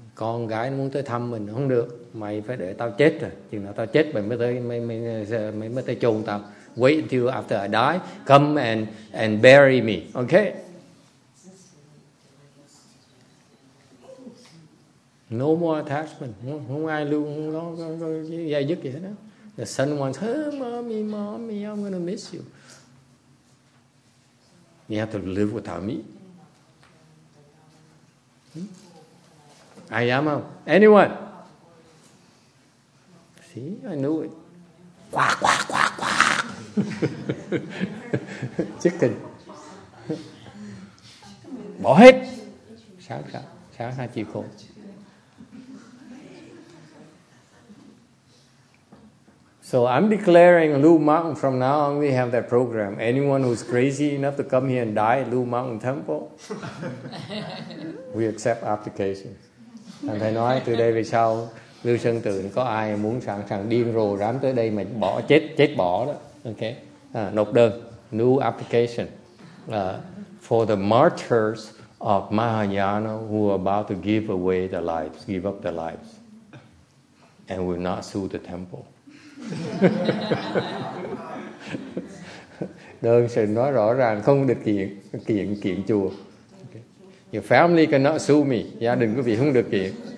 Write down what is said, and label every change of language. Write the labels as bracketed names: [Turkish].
[Vietnamese] Con gái muốn tới thăm mình không được, mày phải để tao chết rồi, chừng nào tao chết mày mới tới mày mới tới chôn tao. [English] Wait until after I die, come and bury me, okay? No more attachment, [Vietnamese] không ai lưu, không lo dây dứt gì hết đó. [English] The son wants, hey, mommy, mommy, I'm going to miss you. You have to live without me. I am a, anyone. See, I knew it. Quack, quack, quack, quack. Chicken. [Vietnamese] Bỏ hết. Sáng hai chiều khổ. [English] So I'm declaring Lu Mountain from now on, we have that program. Anyone who's crazy enough to come here and die at Lu Mountain Temple, we accept applications. [Vietnamese] Thằng thầy nói từ đây về sau, Lưu Sơn Tự có ai muốn sẵn sàng điên rồ rám tới đây mà bỏ chết, chết bỏ đó. [English] Okay. [Vietnamese] Nộp đơn, [English] new application. For the martyrs of Mahayana who are about to give away their lives, give up their lives, and will not sue the temple. [Vietnamese] Đơn sự nói rõ ràng không được kiện chùa. Okay. [English] Your family cannot sue me. [Vietnamese] Gia đình quý vị không được kiện.